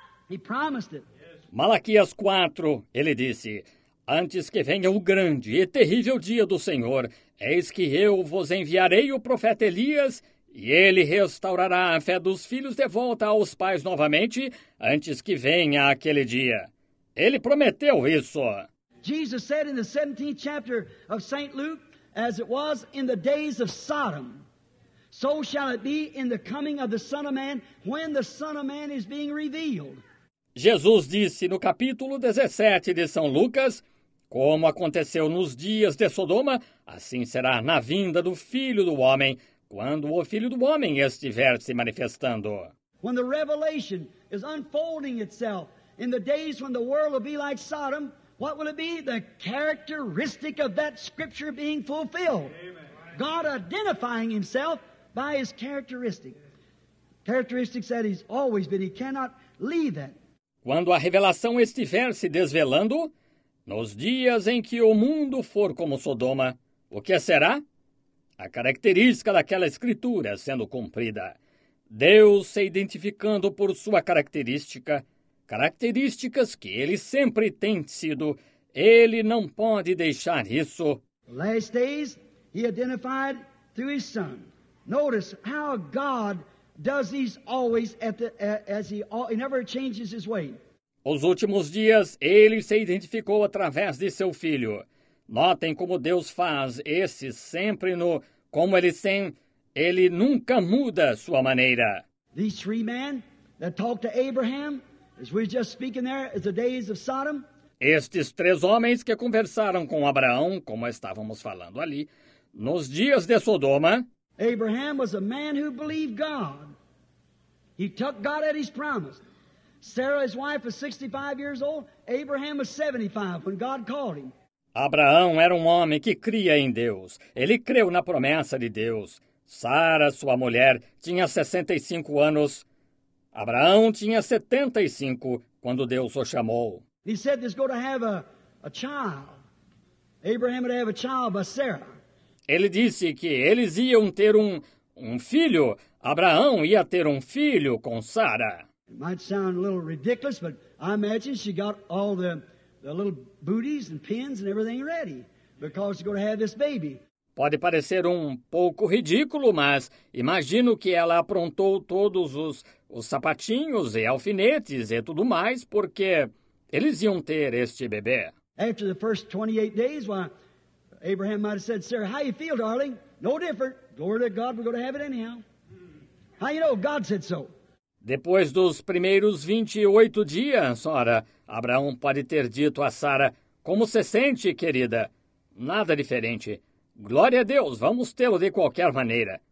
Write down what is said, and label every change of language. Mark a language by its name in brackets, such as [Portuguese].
[English] He promised it. [Portuguese] Malaquias 4, ele disse, antes que venha o grande e terrível dia do Senhor, eis que eu vos enviarei o profeta Elias, e ele restaurará a fé dos filhos de volta aos pais novamente, antes que venha aquele dia. Ele prometeu isso. [English] Jesus said in the 17th chapter of St. Luke, as it was in the days of Sodom, so shall it be in the coming of the Son of Man, when the Son of Man is being revealed. [Portuguese] Jesus disse no capítulo 17 de São Lucas, como aconteceu nos dias de Sodoma, assim será na vinda do Filho do Homem, quando o Filho do Homem estiver se manifestando. [English] When the revelation is unfolding itself in the days when the world will be like Sodom, what will it be? The characteristic of that scripture being fulfilled. Amen. God identifying himself by his characteristic. Characteristics that he's always been. He cannot leave that. [Portuguese] Quando a revelação estiver se desvelando, nos dias em que o mundo for como Sodoma, o que será? A característica daquela escritura sendo cumprida. Deus se identificando por sua característica, características que ele sempre tem sido. Ele não pode deixar isso. [English] Last days, he identified through his son. Notice how God does these always he never changes his way. [Portuguese] Os últimos dias, ele se identificou através de seu filho. Notem como Deus faz esse sempre no... Como ele tem, ele nunca muda sua maneira. [English] These three men that talked to Abraham, as we were just speaking there, as the days of Sodom. [Portuguese] Estes três homens que conversaram com Abraão, como estávamos falando ali, nos dias de Sodoma. [English] Abraham was a man who believed God. He took God at his promise. Sarah, his wife, was 65 years old. Abraham was 75 when God called him. [Portuguese] Abraão era um homem que cria em Deus. Ele creu na promessa de Deus. Sara, sua mulher, tinha 65 anos. Abraão tinha 75 quando Deus o chamou. [English] He said he's going to have a child. Abraham would have a child by Sarah. [Portuguese] Ele disse que eles iam ter um filho. Abraão ia ter um filho com Sara. [English] It might sound a little ridiculous, but I imagine she got all the little booties and pins and everything ready because you're going to have this baby. [Portuguese] Pode parecer um pouco ridículo, mas imagino que ela aprontou todos os sapatinhos e alfinetes e tudo mais, porque eles iam ter este bebê. [English] After the first 28 days, well, Abraham might have said, Sarah, how you feel, darling? No different. Glory to God, we're going to have it anyhow. How you know God said so? [Portuguese] Depois dos primeiros 28 dias, ora, Abraão pode ter dito a Sara, como se sente, querida? Nada diferente. Glória a Deus, vamos tê-lo de qualquer maneira.